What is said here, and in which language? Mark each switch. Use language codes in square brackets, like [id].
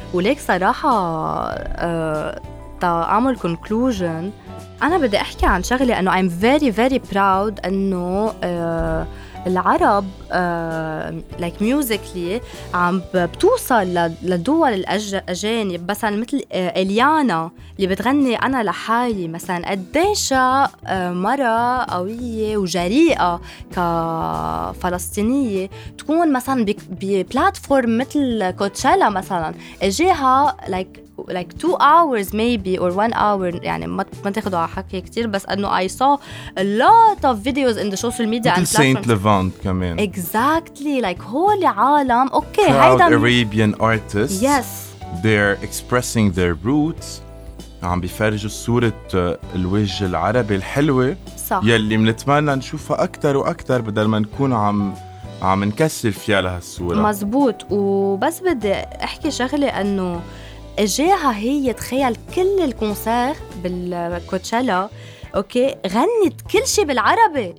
[ar] وليك صراحه تعمل conclusion, انا بدي احكي عن شغلي انه [en] I'm very very proud [ar] انه العرب [en] like musically [ar] عم بتوصل لدول الاجانب. مثلا مثل اليانا اللي بتغني انا لحالي مثلا, قديش مره قويه وجريئه كفلسطينيه تكون مثلا ببلاتفورم مثل كوتشيلا مثلا. اجيها [en] like 2 hours maybe or 1 hour, [ar] يعني ما تاخذوا على حكي كثير, بس انه [en] I saw a lot of videos in the social media and Saint Levant كمان. Exactly like whole [ar] عالم اوكي هيدا [en] Arabian artists yes they're expressing their roots. [ar] عم بيفرجوا صورة الوجه العربي الحلوة صح. يلي منتمنى نشوفها أكتر وأكتر بدل ما نكون عم نكسر فيها لهالصورة. مزبوط. وبس بدي أحكي شغلة أنه إجاها هي تخيل كل الكونسير بالكوتشيلا أوكي غنت كل شيء بالعربي.